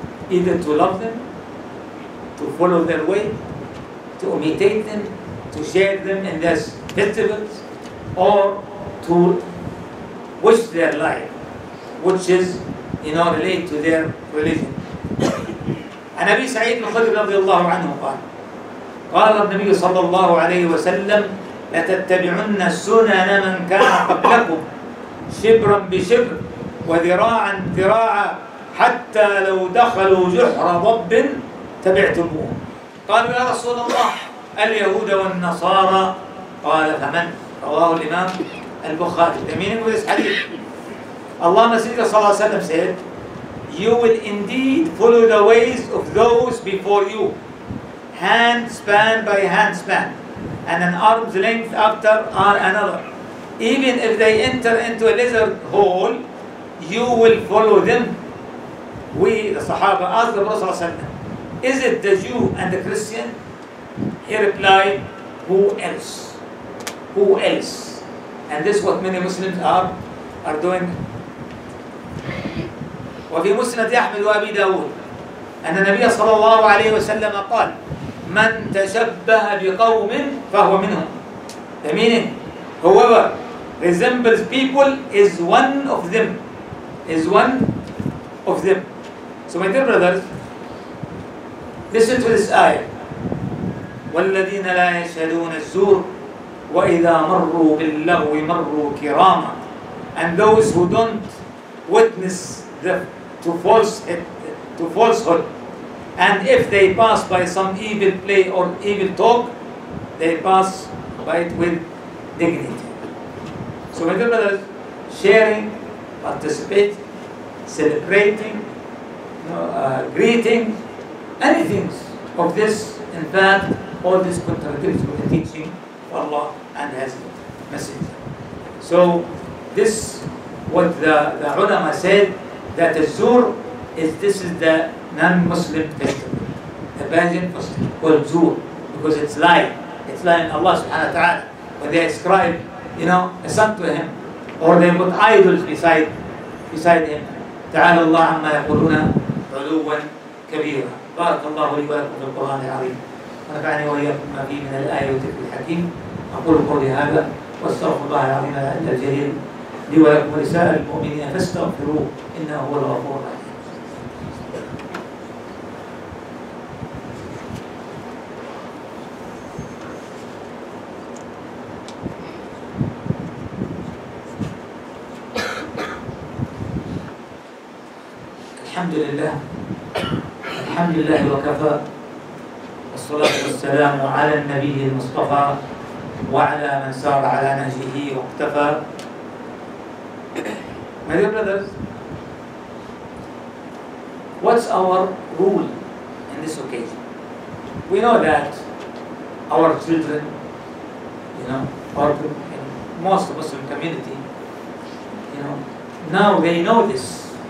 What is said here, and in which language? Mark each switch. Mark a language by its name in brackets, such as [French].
[English] Either to love them, to follow their way, to imitate them, to share them in their festivals, or to wish their life, which is, you know, related to their religion. [Arabic] And Abi Sa'id al-Khudri رضي الله عنه قال, قال النبي صلى الله عليه وسلم, لتتبعن سنن من كان قبلكم شبرا بشبر وذراعا ذراعا حتى لو دخلوا جحر ضب تبعتموه. قالوا يا رسول الله, اليهود والنصارى. قال فمن؟ رواه الإمام البخاري. [English] The meaning of this hadith, Allah Messenger [Arabic] صلى الله عليه وسلم [English] said, you will indeed follow the ways of those before you, hand span by hand span, and an arm's length after another. Even if they enter into a lizard hole, you will follow them. We, the Sahaba, asked the Prophet, is it the Jew and the Christian? He replied, who else? Who else? And this is what many Muslims are doing. [Arabic] وفي مسند أحمد وأبي داود أن النبي صلى الله عليه وسلم قال, من تشبه بقوم فهو منهم. [English] The meaning, whoever resembles people is one of them. Is one of them. So my dear brothers, listen to this ayah. [Arabic] والذين لا يشهدون الزور وإذا مروا باللغو مروا كراما. [English] And those who don't witness the to false to falsehood. And if they pass by some evil play or evil talk, they pass by it with dignity. So my dear brothers, sharing, participating, celebrating, greeting, anything of this, in fact, all this contradicts with the teaching of Allah and His Messenger. So this, what the ulama said, that Zur is, this is the non-Muslim festival, the pagan festival called Zur, because it's lying. It's lying Allah subhanahu wa ta'ala, when they ascribe, you know, a son to him, or they put idols beside him. [Arabic] تعالى الله عما يقولون علوا كبيرا بارك الله لي ولكم في القرآن العظيم ونفعني وإياكم ما فيه من الآية وذكر الحكيم أقول قولي هذا واستغفر الله العظيم لعل الجليل لي ولكم ولسائر المؤمنين فاستغفروه إنه هو الغفور الرحيم. الحمد لله، الحمد لله وكفى، والصلاة والسلام على النبي المصطفى وعلى من سار على نهجه واقتفى. [English] My dear brothers, what's our rule in this occasion? We know that our children, you know, or in most Muslim community, you know, now they know this.